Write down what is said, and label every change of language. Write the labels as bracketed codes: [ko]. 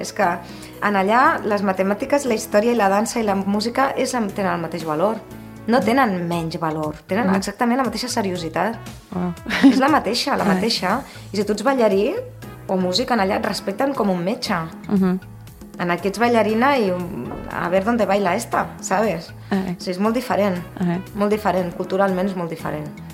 [ca] És que en allà les matemàtiques, la història i la dansa i la música tenen el mateix valor. No tenen menys valor, tenen exactament la mateixa seriositat. És la mateixa, la mateixa. I si tu ets ballarí o músic, en allà et respecten com un metge. En aquí ets ballarina i [es] a ver dónde baila esta, ¿sabes? [ca] O sigui, és molt diferent, molt diferent, culturalment és molt diferent.